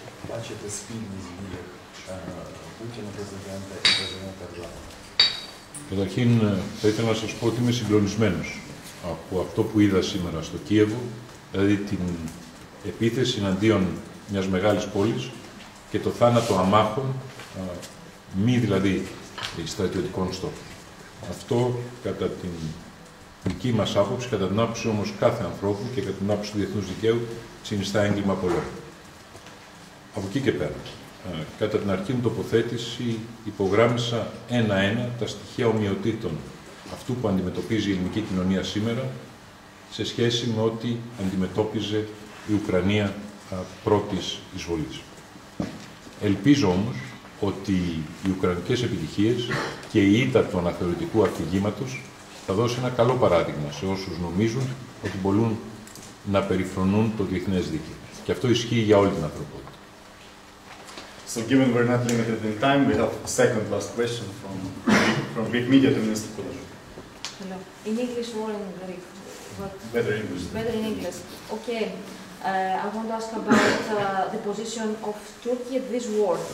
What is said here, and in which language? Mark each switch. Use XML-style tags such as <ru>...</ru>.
<uk>Бачите спільні дії Путіна, президента і президента Ердогана.</uk> <el>Καταρχήν, θα ήθελα να σας πω ότι είμαι συγκλονισμένος από αυτό που είδα σήμερα στο Κίεβο, δηλαδή την επίθεση εναντίον μιας μεγάλης πόλης και το θάνατο αμάχων, μη δηλαδή στρατιωτικών στόχων. Αυτό κατά την δική μας άποψη, κατά την άποψη όμως κάθε ανθρώπου και κατά την άποψη του διεθνούς δικαίου, συνιστά έγκλημα πολέμου. από εκεί και πέρα. Κατά την αρχή μου τοποθέτηση υπογράμμισα ένα-ένα τα στοιχεία ομοιοτήτων αυτού που αντιμετωπίζει η ελληνική κοινωνία σήμερα σε σχέση με ό,τι αντιμετώπιζε η Ουκρανία πρώτης εισβολής. Ελπίζω όμως ότι οι ουκρανικές επιτυχίες και η ήττα του αναθεωρητικού αφηγήματος θα δώσει ένα καλό παράδειγμα σε όσους νομίζουν ότι μπορούν να περιφρονούν το διεθνές δίκαιο. Και αυτό ισχύει για όλη την ανθρωπότητα.</el> <en>So given we're not limited in time, we have a second last question from Greek media to Minister Kulebi. Hello. In English or in Greek? What? Better in English. Better in English. Okay. I want to ask about the position of Turkey at this war.</en>